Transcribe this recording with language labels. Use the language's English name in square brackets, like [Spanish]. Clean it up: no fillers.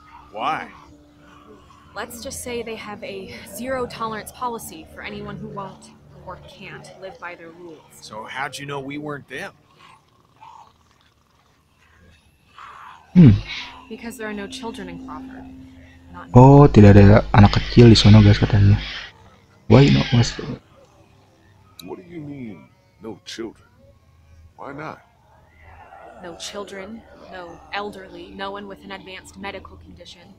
[English] Why? Let's just say they have a zero tolerance policy for anyone who won't or can't live by their rules. So how'd you know we weren't them? Because there are no children in Crawford. [Indonesian] Oh, tidak ada anak kecil di sana, guys, katanya. [English] Why not, Mas? What do you mean, no children? Why not? No children, no elderly, no one with an advanced medical condition.